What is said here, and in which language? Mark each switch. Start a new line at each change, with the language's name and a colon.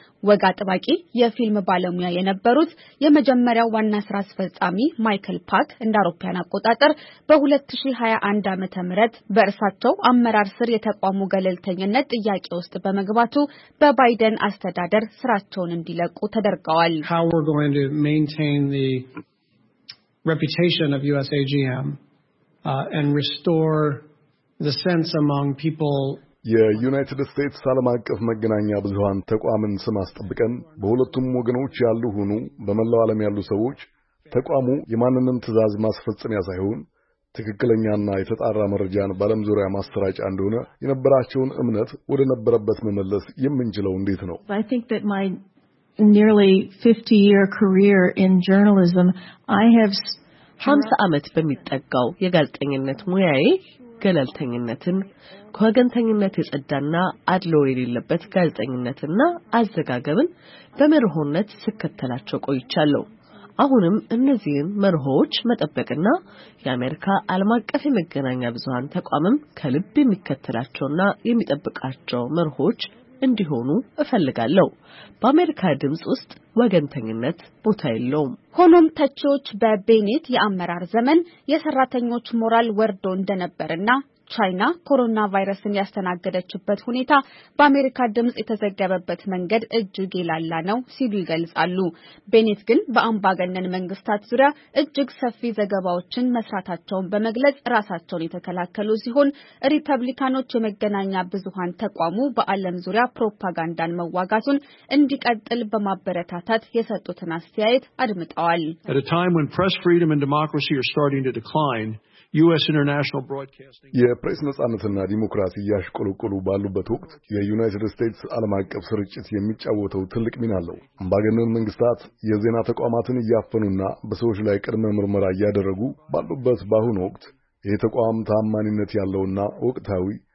Amharic: ወጋ ጥባቂ የፊልም ባለሙያ የነበሩት የመጀመሪያው ዋና ስራ አስፈጻሚ ማይክል ፓክ እንደ አውሮፓውያን አቆጣጠር በ2021 ዓመተ ምህረት በእርሳቸው አመራር ስር የተቋሙ ገለልተኝነት ጥያቄ ውስጥ በመግባቱ በባይደን አስተዳደር ስራቸውን እንዲለቁ ተደርገዋል።
English: How we're going to maintain the reputation of USAGM and restore the sense among people
Amharic: የዩናይትድ ስቴትስ ዓለም አቀፍ መገናኛ ብዙሃን ተቋምን ስማስጠብቀን በሁለቱም ወገኖች ያሉ ሆኑ በመላው ዓለም ያሉ ሰዎች ተቋሙ የማንንም ትዛዝ ማስፈጸሚያ ሳይሆን ትክክለኛና የተጣራ መረጃን በዓለም ዙሪያ ማስተራጫ እንደሆነ የነበራቸውን እምነት ወደ ነበረበት መመለስ የምንችለው እንዴት ነው?
English: I think that my nearly 50 year career in journalism I have
Amharic: 50 ዓመት በሚጠጋው የጋዜጠኝነት ሙያዬ ገለልተኝነትን ከወገንተኝነት የጸዳና አድሎ የሌለበት ጋዜጠኝነትና አዘጋገብን በመርሆነት ስከተላቸው ቆይቻለሁ። አሁንም እነዚህን መርሆች መጠበቅና የአሜሪካ ዓለም አቀፍ የመገናኛ ብዙሃን ተቋምም ከልብ የሚከተላቸውና የሚጠብቃቸው መርሆች እንዲሆኑ እፈልጋለሁ። በአሜሪካ ድምጽ ውስጥ ወገንተኝነት ቦታ የለውም። ሆኖም ተቺዎች በቤኒት የአመራር ዘመን የሰራተኞች ሞራል ወርዶ እንደነበርና ቻይና ኮሮና ቫይረስን ያስተናገደችበት ሁኔታ በአሜሪካ ድምጽ የተዘገበበት መንገድ እጅግ ይላላ ነው ሲሉ ይገልጻሉ። ቤኒት ግን በአምባገነን መንግስታት ዙሪያ እጅግ ሰፊ ዘገባዎችን መስራታቸውን በመግለጽ ራሳቸውን የተከላከሉ ሲሆን፣ ሪፐብሊካኖች የመገናኛ ብዙሃን ተቋሙ በአለም ዙሪያ ፕሮፓጋንዳን መዋጋቱን እንዲቀጥል በማበረታታት የሰጡትን አስተያየት አድምጠዋል። At a time when press freedom and democracy are starting to decline, US International Broadcasting የፕሬስ ነጻነትና ዲሞክራሲ ያሽቆለቆሉ ባሉበት ወቅት የዩናይትድ ስቴትስ ዓለም አቀፍ ስርጭት የሚጫወተው ትልቅ ሚና አለው። አምባገነን መንግስታት የዜና ተቋማትን ያፈኑና በሰዎች ላይ ቅድመ ምርመራ ያደረጉ ባሉበት ባሁን ወቅት የተቋም ታማኝነት ያለውና ወቅታዊ